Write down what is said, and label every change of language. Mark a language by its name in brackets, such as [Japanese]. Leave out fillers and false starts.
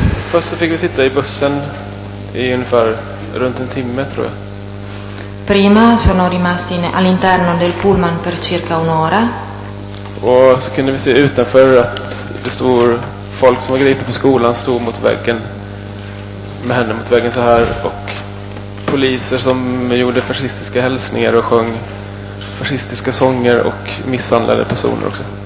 [Swedish] Först fick vi sitta i bussen i ungefär runt en timme, tror jag. [Italian] Prima sono rimasti all'interno del pullman per circa un'ora. [Swedish] Och så kunde vi se utanför att det stod folk som var gripet på skolan, stod mot väggen med händerna mot väggen så här, och poliser som gjorde fascistiska hälsningar och sjöng fascistiska sånger och misshandlade personer också.